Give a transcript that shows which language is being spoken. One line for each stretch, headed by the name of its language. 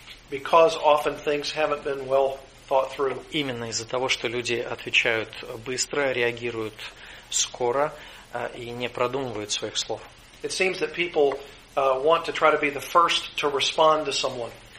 English: Because often things haven't been well thought through.
Russian: Именно из-за того, что люди отвечают быстро, реагируют скоро и не продумывают своих слов.
English: It seems that people want to try to be the first to respond to someone.